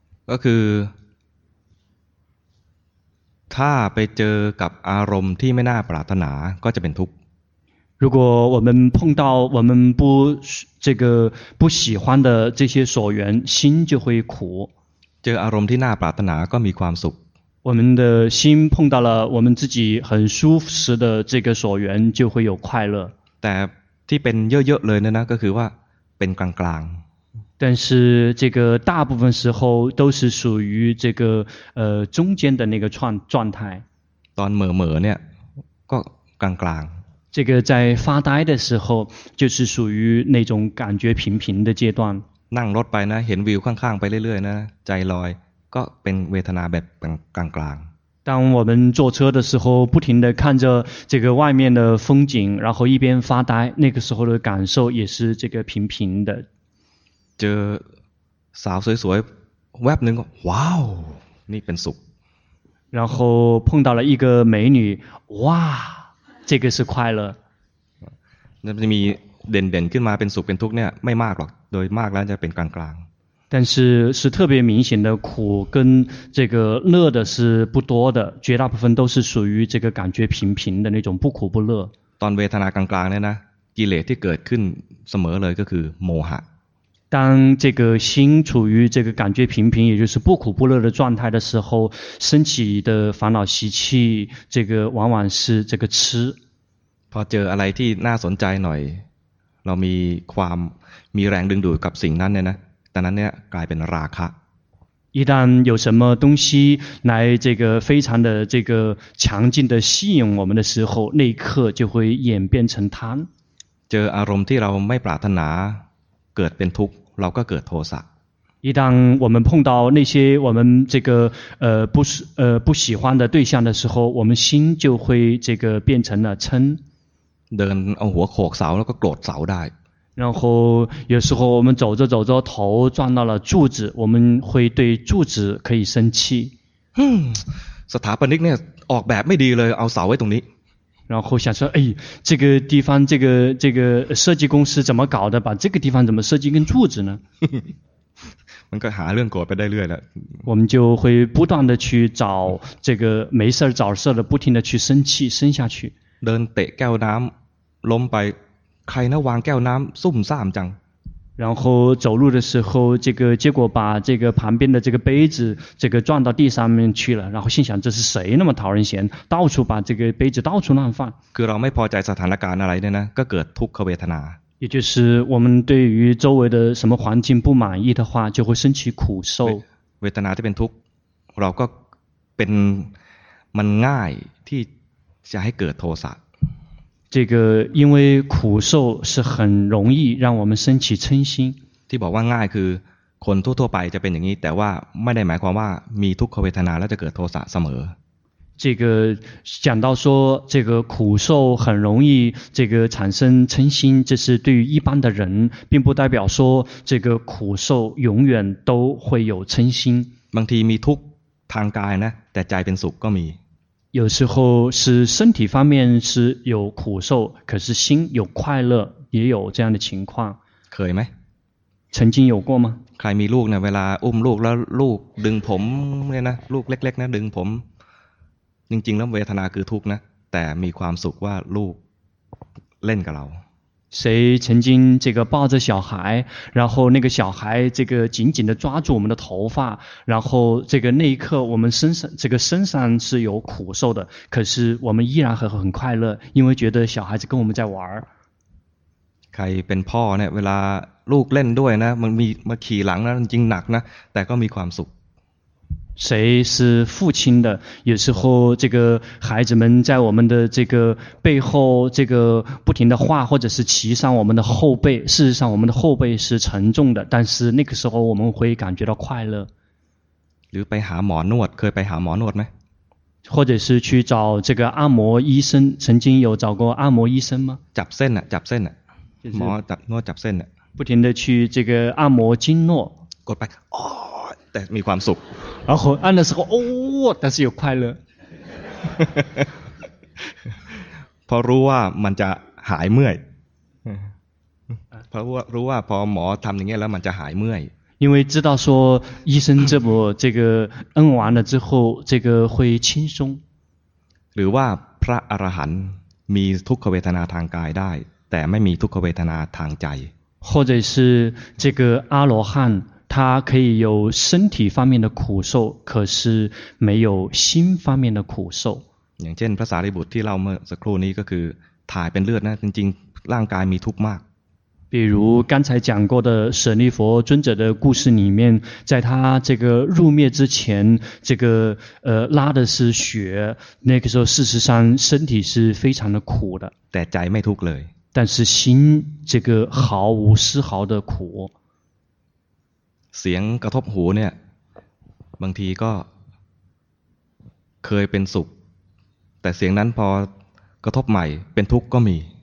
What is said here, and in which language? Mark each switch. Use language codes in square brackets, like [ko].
[th] ก็คือถ้าไปเจอกับอารมณ์ที่ไม่น่าปรารถนาก็จะเป็นทุกข์ [zh] 如果我们碰到我们不这个不喜欢的这些所缘，心就会苦。 [th] เจออารมณ์ที่น่าปรารถนาก็มีความสุข。 [zh] 我们的心碰到了我们自己很舒适的这个所缘，就会有快乐。 [th] แต่ที่เป็นเยอะๆเลยนะก็คือว่าเป็นกลาง ๆ。 [zh] 但是这个大部分时候都是属于这个中间的那个状态。 [th] ตอนเหม่อๆเนี่ยก็กลางๆ [zh] 这个在发呆的时候就是属于那种感觉平平的阶段 [th] นั่งรถไปนะเห็นวิวข้างๆไปเรื่อยๆนะใจลอยก็เป็นเวทนาแบบกลาง [zh] ๆ当我们坐车的时候不停地看着这个外面的风景然后一边发呆那个时候的感受也是这个平平的 [th] เจอสาวสวยๆแวบนึงก็ว้าวนี่เป็นสุข [zh] 然后碰到了一个美女哇这个是快乐 [th] นั่นจะมีเด่นๆขึ้นมาเป็นสุขเป็นทุกข์เนี่ยไม่มากหรอกโดยมากแล้วจะเป็นกลาง [zh] ๆ但是是特别明显的苦跟这个乐的是不多的绝大部分都是属于这个感觉平平的那种不苦不乐 [th] ตอนเวทนากลางๆเนี่ยนะกิเลสที่เกิดขึ้นเสมอเลยก็คือโมหะ [zh] 当这个心处于这个感觉平平也就是不苦不乐的状态的时候升起的烦恼习气这个往往是这个痴 [th] พอเจออะไรที่น่าสนใจหน่อยเรามีความมีแรงดึงดูดกับสิ่งนั้นเนี่ยนะตอนนั้นเนี่ยกลายเป็นราคะ [zh] 一旦有什么东西来这个非常的这个强劲的吸引我们的时候那一刻就会演变成贪 [th] เจออารมณ์ที่เราไม่ปรารถนาเกิดเป็นทุกข์เราก็เกิดโทสะ [zh] 一旦我们碰到那些我们这个不喜欢的对象的时候我们心就会这个变成了嗔 [th] เดินเอาหัวโขกเสาแล้วก็โกรธเสาได้ [zh] 然后有时候我们走着走着头撞到了柱子我们会对柱子可以生气 [th] สถาปนิกเนี่ยออกแบบไม่ดีเลยเอาเสาไว้ตรงนี้ [zh] 然后想说哎这个地方这个设计公司怎么搞的把这个地方怎么设计跟柱子呢 [th] มันก็หาเรื่องโกรธไปได้เรื่อยแล้ [zh] ว我们就会不断的去找这个没事找事的不停的去生气生下去 [th] เดินเตะแก้วน้ำล้มไปใครนะวางแก้วน้ำซุ่มซ่ามจัง [zh] 然后走路的时候这个结果把这个旁边的这个杯子这个撞到地上面去了然后心想这是谁那么讨人嫌到处把这个杯子到处乱放 [th] คือเราไม่พอใจสถานการณ์อะไรเนี่ยนะก็เกิดทุกขเวทนา [zh] 也就是我们对于周围的什么环境不满意的话就会升起苦受 [th] เวทนาที่เป็นทุกข์เราก็เป็นมันง่ายที่จะให้เกิดโทสะ [zh] 这个因为苦受是很容易让我们升起嗔心 [th] ที่บอกว่าง่ายคือคนทั่วๆไปจะเป็นอย่างนี้แต่ว่าไม่ได้หมายความว่ามีทุกขเวทนาแล้วจะเกิดโทสะเสม [zh] อ这个讲到说这个苦受很容易这个产生嗔心这是对于一般的人并不代表说这个苦受永远都会有嗔心 [th] บางทีมีทุกข์ทางกายนะแต่ใจเป็นสุขก็มี [zh] 有时候是身体方面是有苦受可是心有快乐也有这样的情况 [th] เคยไหม [zh] 曾经有过吗 [th] ใครมีลูกเนี่ยเวลาอุ้มลูกแล้วลูกดึงผมเนี่ยนะลูกเล็กๆนะดึงผมจริงๆแล้วเวทนาคือทุกข์นะแต่มีความสุขว่าลูกเล่นกับเรา [zh] 谁曾经这个抱着小孩然后那个小孩这个紧紧的抓住我们的头发然后这个那一刻我们身上这个身上是有苦受的可是我们依然很快乐因为觉得小孩子跟我们在玩 [th] ใครเป็นพ่อเนี่ยเวลาลูกเล่นด้วยนะมันมีมาขี่หลังนะจริงหนักนะแต่ก็มีความสุข [zh] 谁是父亲的有时候这个孩子们在我们的这个背后这个不停的画或者是骑上我们的后背事实上我们的后背是沉重的但是那个时候我们会感觉到快乐 [th] หรือไปหาหมอนวดเคยไปหาหมอนวดไหม [zh] 或者是去找这个按摩医生曾经有找过按摩医生吗 [th] จับเส้นน่ะจับเส้นน่ะหมอจับนวดจับเส้นน่ะ [zh] 不停的去这个按摩经络 [th] กดไปอ๋อ [zh] 但是 [th] มีความสุข [zh] 然后按的时候哦但是有快乐 [th] พอรู้ว่ามันจะหายเมื่อยพอรู้ว่าพอหมอทำอย่างเงี้ยแล้วมันจะหายเมื่อย [zh] 因为知道说医生这么这个摁完了之后这个会轻松 [th] หรือว่าพระอรหันต์มีทุกขเวทนาทางกายได้แต่ไม่มีทุกขเวทนาทางใจ [zh] 或者是这个阿罗汉他可以有身体方面的苦受可是没有心方面的苦受 [th] อย่างเช่นพระสารีบุตรที่เล่าเมื่อสักครู่นี้ก็คือถ่ายเป็นเลือดนะจริงๆร่างกายมีทุกข์มาก [zh] 比如刚才讲过的舍利佛尊者的故事里面在他这个入灭之前这个拉的是血那个时候事实上身体是非常的苦的 [th] แต่ใจไม่ทุกข์เลย [zh] 但是心这个毫无丝毫的苦 [th] เสียงกระทบหูเนี่ยบางทีก็เคยเป็นสุขแต่เสียงนั้นพอกระทบใหม่เป็นทุกข์ก็มี